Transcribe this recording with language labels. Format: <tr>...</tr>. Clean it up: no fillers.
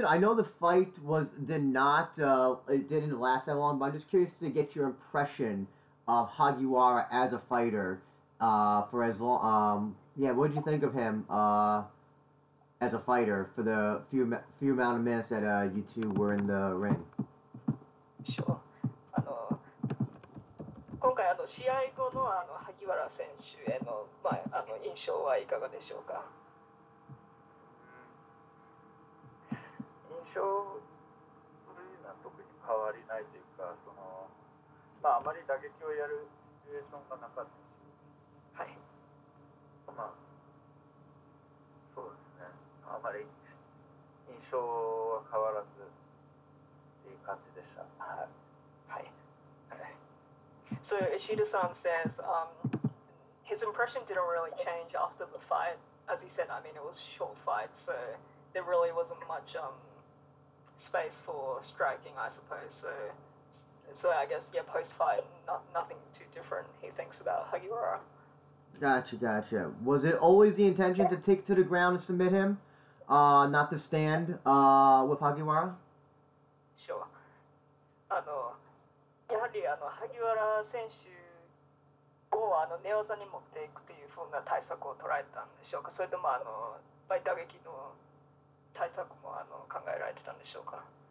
<en>I know the fight didn't last that long, but I'm just curious to get your impression of Hagiwara as a fighter, what did you think of him, as a fighter for the few amount of minutes that you two were in the ring? Sure.</en> <ja>今回試合後の萩原選手への印象はいかがでしょうか? 象するような特に変わりないというか、そのまああまり打撃をやるシチュエーションがなかったし、はい、まあそうですね、あまり印象は変わらずっていう感じでした。はい。</ja> <en>So Ishida-san says his impression didn't really change after the fight. As he said, I mean, it was a short fight, so there really wasn't much space for striking, I suppose. So I guess, yeah, post-fight, nothing too different, he thinks, about Hagiwara. Gotcha. Was it always the intention to take to the ground and submit him, not to stand with Hagiwara? Sure.</en> <ja>やはり萩原選手を寝技に持っていくというふうな対策を捉えたんでしょうか、それとも倍打撃の対策も考えられてたんでしょうか。</ja>